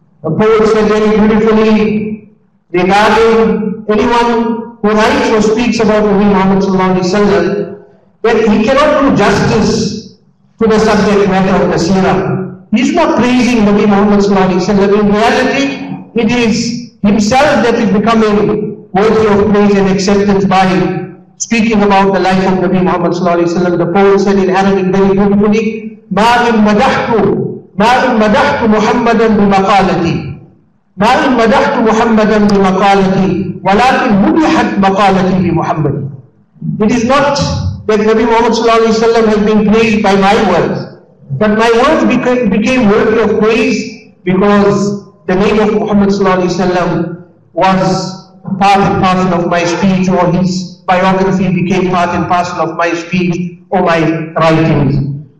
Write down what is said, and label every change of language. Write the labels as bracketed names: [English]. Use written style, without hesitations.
[English] A poet said very beautifully regarding anyone who writes or speaks about Nabi Muhammad sallallahu alayhi wa sallam that he cannot do justice to the subject matter of the seerah. He is not praising Nabi Muhammad sallallahu alayhi wa sallam. In reality, it is himself that is becoming worthy of praise and acceptance by speaking about the life of Nabi Muhammad sallallahu alayhi wa sallam. The poet said in Arabic very beautifully, [Arabic] مَا إِن مَدَحْتُ مَا إِن مَدَحْتُ مُحَمَّدًا بِمَقَالَتِي مَا إِن مَدَحْتُ مُحَمَّدًا بِمَقَالَتِي وَلَكِن مُدِحَتْ مَقَالَتِي بِمُحَمَّدٍ. [English] It is not that Nabi Muhammad sallallahu alayhi wa sallam has been praised by my words, that my words became worthy of praise because the name of Muhammad sallallahu alaihi wasallam was part and parcel of my speech, or his biography became part and parcel of my speech or my writings.